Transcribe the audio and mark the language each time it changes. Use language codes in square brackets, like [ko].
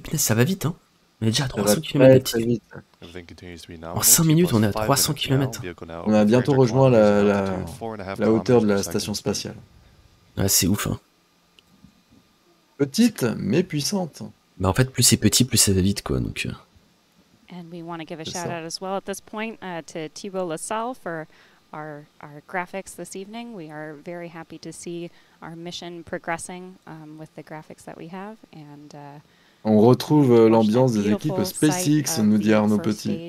[fr] Putain, ça va vite, hein. On est déjà à 300 km d'altitude. En 5 minutes, on est à 300 km. On a bientôt rejoint la hauteur de la station spatiale. Ah, c'est ouf, hein. Petite, mais puissante. Bah, en fait, plus c'est petit, plus ça va vite, quoi. Donc. [en] And we want to give a shout out as well at this point to Thibault LaSalle for our graphics this evening. We are very happy to see our mission progressing with the graphics that we have and. [fr] On retrouve l'ambiance des équipes SpaceX, nous dit Arnaud Petit.